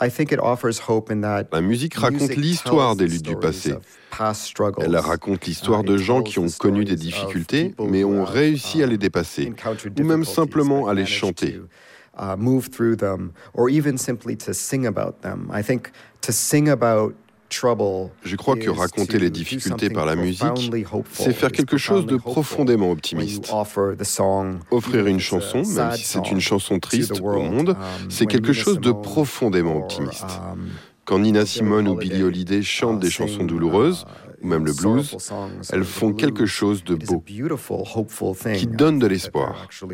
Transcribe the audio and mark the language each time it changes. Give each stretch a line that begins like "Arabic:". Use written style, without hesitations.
French: La musique raconte l'histoire des luttes du passé. Elle raconte l'histoire de gens qui ont connu des difficultés, mais ont réussi à les dépasser, ou même simplement à les chanter.
English: Move through them, or even simply to sing about them. I think to sing about trouble.
French: Je crois que raconter les difficultés par la musique, c'est faire quelque chose de profondément optimiste. Offrir une chanson, même si c'est une chanson triste au monde, c'est quelque chose de profondément optimiste. Quand Nina Simone ou Billie Holiday chantent des chansons douloureuses, ou même le blues, elles font quelque chose de beau, qui donne de l'espoir.